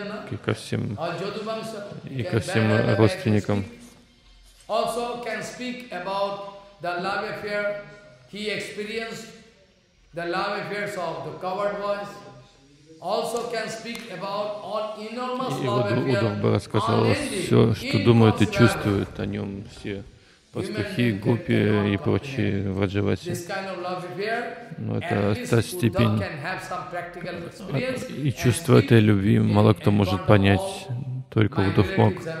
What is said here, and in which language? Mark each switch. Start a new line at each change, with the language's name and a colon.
Russian: И ко всем, родственникам.
English: Also can speak about the love affair he experienced, the love affairs of the covered boys. Also can speak about all enormous love affairs.
Russian: И Удав бы рассказал все, что думают и чувствуют о нем все пастухи, гопи и прочие враджаваси. Но это та степень и чувство этой любви мало кто может понять, только Удав мог.